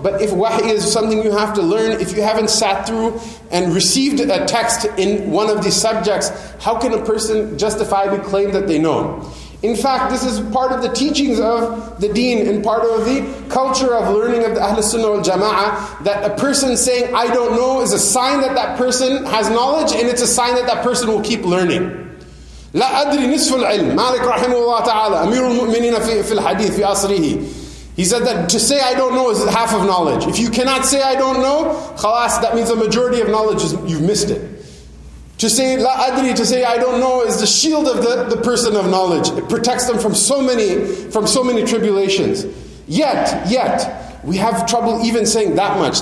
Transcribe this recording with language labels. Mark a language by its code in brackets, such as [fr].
[en] But if wahi is something you have to learn, if you haven't sat through and received a text in one of these subjects, how can a person justifiably claim that they know? In fact, this is part of the teachings of the deen and part of the culture of learning of the Ahl Sunnah wal Jama'ah, that a person saying, "I don't know," is a sign that that person has knowledge and it's a sign that that person will keep learning. [ar] لا أدري نصف العلم. مالك رحمه الله تعالى أمير المؤمنين في الحديث في أصله. [en] He said that to say I don't know is half of knowledge. If you cannot say I don't know, خلاص, that means the majority of knowledge is you've missed it. To say [ar] لا أدري, [en] to say I don't know, is the shield of the person of knowledge. It protects them from so many tribulations. Yet. We have trouble even saying that much.